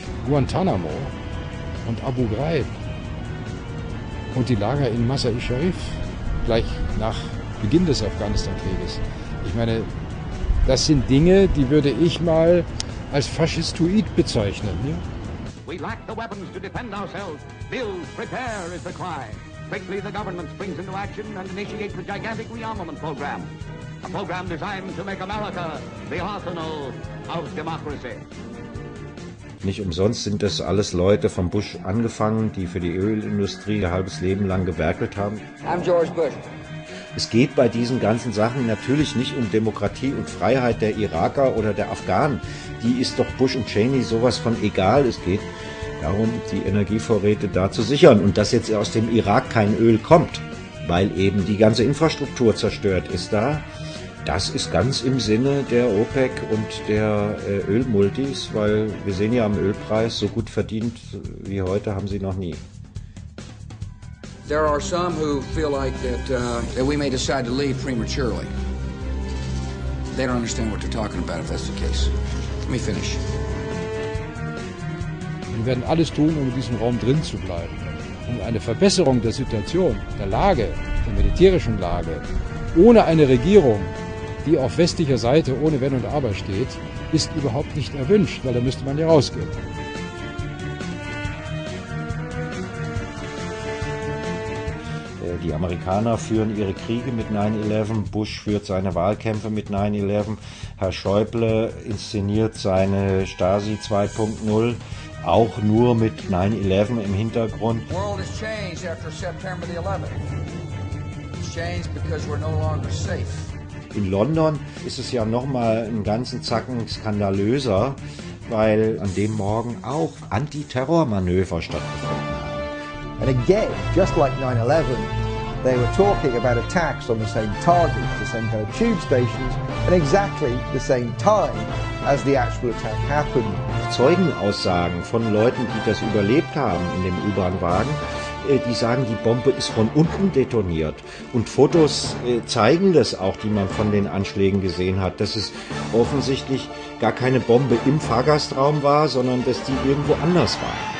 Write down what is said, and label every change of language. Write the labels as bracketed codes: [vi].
[de] Guantanamo und Abu Ghraib und die Lager in Masar-i-Sharif gleich nach Beginn des Afghanistan-Krieges. Ich meine, das sind Dinge, die würde ich mal als Faschistoid bezeichnen. Ja? [en] We lack the weapons to defend ourselves. Build, prepare is the cry. Quickly the government springs into action and initiates a gigantic rearmament program. A program designed to make America the arsenal of democracy. [de] Nicht umsonst sind das alles Leute vom Bush angefangen, die für die Ölindustrie ein halbes Leben lang gewerkelt haben. [en] I'm George Bush. [de] Es geht bei diesen ganzen Sachen natürlich nicht um Demokratie und Freiheit der Iraker oder der Afghanen. Die ist doch Bush und Cheney sowas von egal. Es geht darum, die Energievorräte da zu sichern. Und dass jetzt aus dem Irak kein Öl kommt, weil eben die ganze Infrastruktur zerstört ist da, Das ist ganz im Sinne der OPEC und der Ölmultis, weil wir sehen ja am Ölpreis, so gut verdient wie heute haben sie noch nie. [en] There are some who feel like that we may decide to leave prematurely. They don't understand what they're talking about if that's the case. Let me finish. [de] Wir werden alles tun, um in diesem Raum drin zu bleiben. Um eine Verbesserung der Situation, der Lage, der militärischen Lage, ohne eine Regierung, die auf westlicher Seite ohne Wenn und Aber steht, ist überhaupt nicht erwünscht, weil da müsste man ja rausgehen. Die Amerikaner führen ihre Kriege mit 9-11, Bush führt seine Wahlkämpfe mit 9-11, Herr Schäuble inszeniert seine Stasi 2.0 auch nur mit 9-11 im Hintergrund. [en] The world has changed after September the 11th. It's changed because we're no longer safe. [de] In London ist es ja nochmal einen ganzen Zacken skandalöser, weil an dem Morgen auch Antiterrormanöver stattgefunden haben. [en] And again, just like 9-11, they were talking about attacks on the same targets, the same kind of tube stations, at exactly the same time as the actual attack happened. [de] Zeugenaussagen von Leuten, die das überlebt haben in dem U-Bahn-Wagen, die sagen, die Bombe ist von unten detoniert. Und Fotos zeigen das auch, die man von den Anschlägen gesehen hat, dass es offensichtlich gar keine Bombe im Fahrgastraum war, sondern dass die irgendwo anders war.